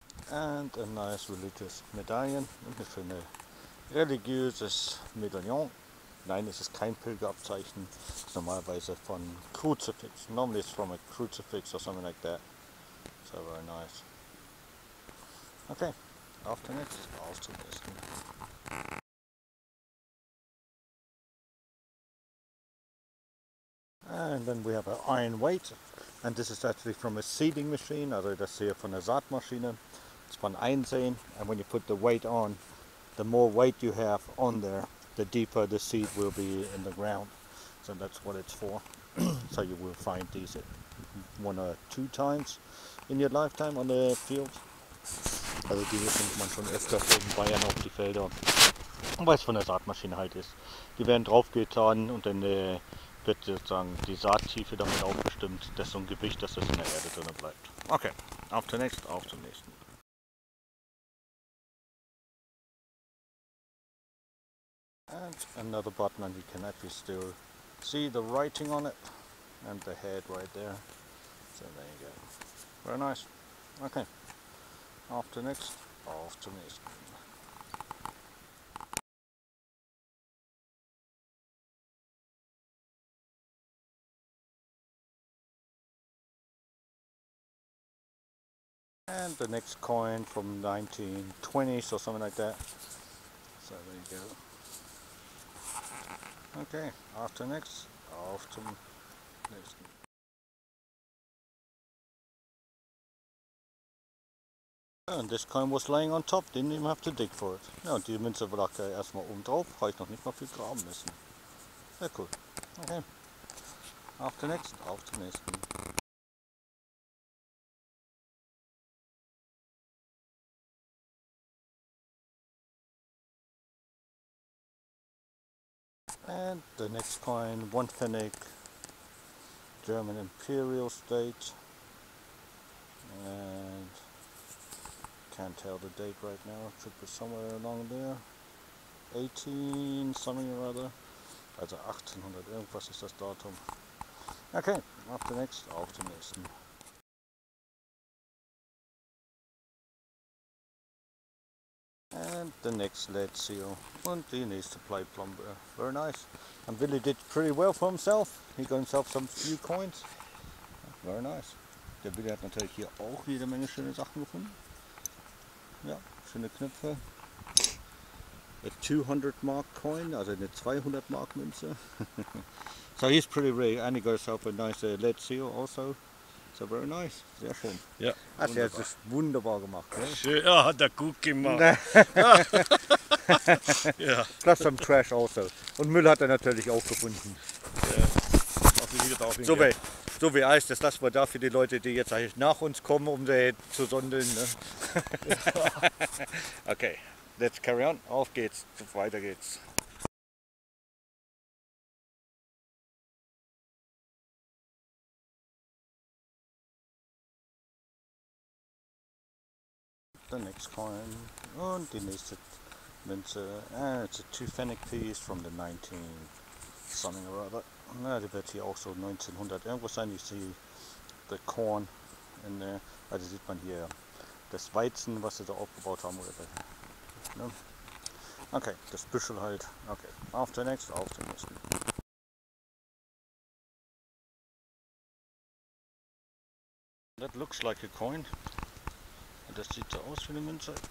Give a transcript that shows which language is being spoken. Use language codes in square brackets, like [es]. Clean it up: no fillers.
[en] And a nice religious medallion, [de] eine schöne religiöses Medaillon. Nein, es ist kein Pilgerabzeichen, es ist normalerweise von Crucifix. [en] Normally it's from a crucifix or something like that. So very nice. [de] Okay, auf zum nächsten, auf zum nächsten. [en] And then we have an iron weight. And this is actually from a seeding machine, [de] also das hier von der Saatmaschine. Von einsehen, [en] and when you put the weight on, the more weight you have on there, the deeper the seed will be in the ground. So that's what it's for. So you will find these one or two times in your lifetime on the field. [de] Also diese findet man schon öfter in Bayern auf die Felder, weil es von der Saatmaschine halt ist. Die werden draufgetan und dann wird sozusagen die Saattiefe damit aufbestimmt, dass so ein Gewicht, dass das in der Erde drin bleibt. Okay, auf zum nächsten, auf zum nächsten. [en] And another button, and you can actually still see the writing on it and the head right there. So there you go. Very nice. Okay. Off to next. Off to next. And the next coin from 1920s or something like that. So there you go. [de] Okay, auf zum nächsten, auf zum nächsten. [en] And this coin was lying on top, didn't even have to dig for it. [de] Ja, und die Münze war da erstmal oben drauf, habe ich noch nicht mal viel graben müssen. Sehr cool. Okay, auf zum nächsten, auf zum nächsten. [en] And the next coin, 1 Pfennig, German Imperial State. And can't tell the date right now, it should be somewhere along there. 18 something or other. [de] Also 1800, irgendwas ist das Datum. Okay, auf den nächsten, auf den nächsten. [en] And the next lead seal. [de] Und die nächste Plate Plumber. [en] Very nice. And Willy did pretty well for himself. He got himself some few coins. Very nice. [de] Der Willy hat natürlich hier auch jede Menge schöne Sachen gefunden. Ja, schöne Knöpfe. [en] A 200 mark coin, [de] also eine 200 mark Münze. [en] So he's pretty rare, and he got himself a nice lead seal also. So very nice, [de] sehr schön. Ja. Also er hat es wunderbar gemacht. Ne? Schön, ja, hat er gut gemacht. [en] Plus some trash also. [de] Und Müll hat er natürlich auch gefunden. Ja. So wie heißt das, lassen wir da für die Leute, die jetzt eigentlich nach uns kommen, um sie zu sondeln. Ne? Okay. [en] Let's carry on. [de] Auf geht's. Weiter geht's. [en] The next coin. [de] Und die nächste Münze. [en] And it's a 2 Pfennig piece from the 19... something or other. [de] Na, die wird hier auch so 1900 irgendwo sein. [en] You see the corn in there. [de] Also sieht man hier das Weizen, was sie da aufgebaut haben. Oder no. Okay, das Büschel halt. Okay, auf der nächsten, auf der nächsten. [en] That looks like a coin. [de] Das sieht so aus wie eine Münze.